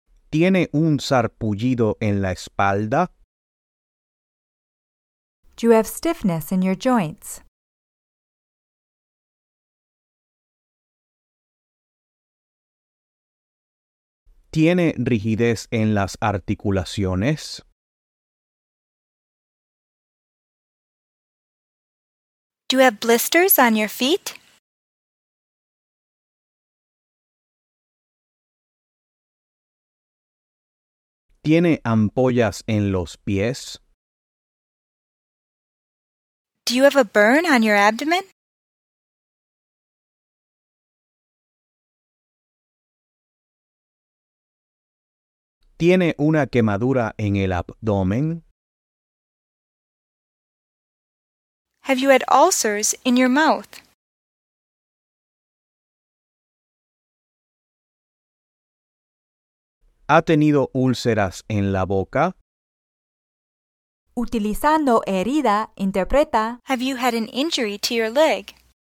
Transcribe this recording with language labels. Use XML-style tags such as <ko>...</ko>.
<es>¿Tiene un sarpullido en la espalda?</es> <en>Do you have stiffness in your joints?</en> <es>¿Tiene rigidez en las articulaciones?</es> <en>Do you have blisters on your feet?</en> <es>¿Tiene ampollas en los pies?</es> <en>Do you have a burn on your abdomen?</en> <es>¿Tiene una quemadura en el abdomen?</es> <en>Have you had ulcers in your mouth?</en> <es>¿Ha tenido úlceras en la boca? Utilizando herida, interpreta.</es> <en>Have you had an injury to your leg?</en>